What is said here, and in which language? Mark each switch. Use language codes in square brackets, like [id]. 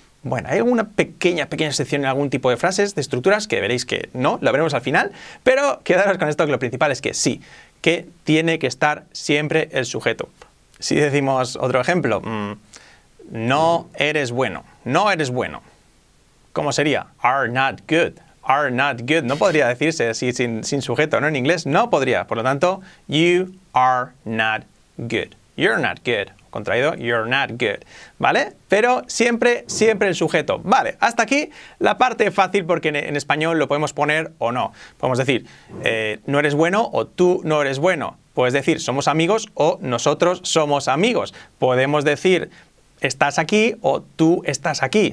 [es] Bueno, hay una pequeña, pequeña excepción en algún tipo de frases, de estructuras, que veréis que no, lo veremos al final, pero quedaros con esto, que lo principal es que sí, que tiene que estar siempre el sujeto. Si decimos otro ejemplo, no eres bueno, no eres bueno. ¿Cómo sería? [en] Are not good, are not good. [es] No podría decirse así sin sujeto, ¿no? En inglés no podría. Por lo tanto, [en] you are not good, you're not good. Contraído, you're not good, ¿vale? [es] Pero siempre, siempre el sujeto. Vale, hasta aquí la parte fácil, porque en español lo podemos poner o no. Podemos decir, no eres bueno o tú no eres bueno. Puedes decir, somos amigos o nosotros somos amigos. Podemos decir, estás aquí o tú estás aquí.